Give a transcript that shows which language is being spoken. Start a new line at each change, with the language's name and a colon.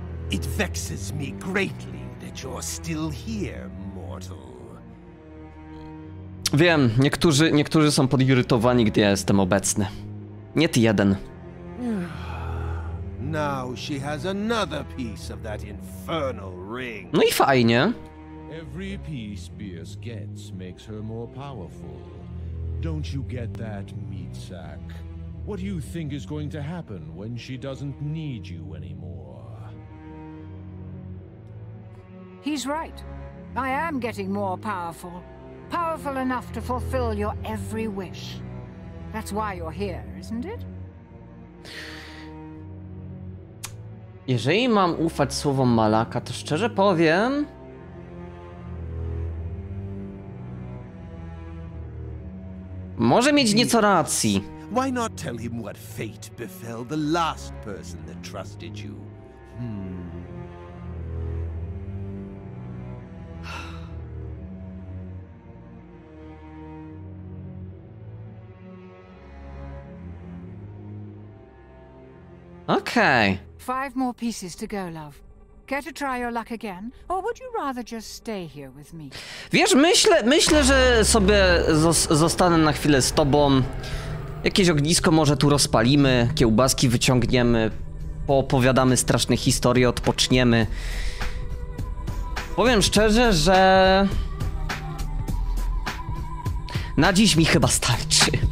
English: It vexes me greatly that you're still here, mortal.
Polish: Wiem, niektórzy są podirytowani, gdy ja jestem obecny. Nie ty jeden.
English: Now she has another piece of that infernal ring.
Polish: No i fajnie.
English: Every piece Beers gets makes her more powerful. Don't you get that, meat sack? What do you think is going to happen when she doesn't need you anymore? He's right. I am getting more powerful. Powerful enough to fulfill your every wish. That's why you're here, isn't it?
Polish: Jeżeli mam ufać słowom Malaka, to szczerze powiem... Może mieć nieco racji.
English: Why not tell him what fate befell the last person that trusted you? Okay. Five more pieces to go, love. Care to try your luck again, or would you rather just stay here with me?
Polish: Wiesz, myślę, że sobie zostanę na chwilę z tobą. Jakieś ognisko może tu rozpalimy, kiełbaski wyciągniemy, poopowiadamy straszne historie, odpoczniemy. Powiem szczerze, że... na dziś mi chyba starczy.